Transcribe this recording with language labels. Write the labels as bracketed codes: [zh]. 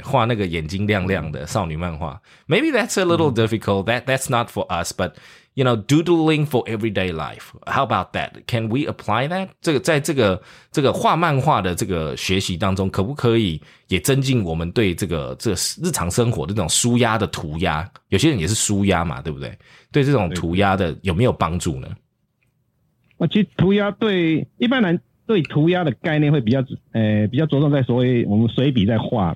[zh] 画那个眼睛亮亮的少女漫画 ， [en] Maybe that's a little difficult. That's not for us. But you know, doodling for everyday life. How about that? Can we apply that? [zh] 这个在这个画漫画的这个学习当中，可不可以也增进我们对这个日常生活的那种抒压的涂鸦？有些人也是抒压嘛，对不对？对这种涂鸦的有没有帮助呢？其实涂鸦对一般人对涂鸦的概念会比较着重在所谓我们随笔在画。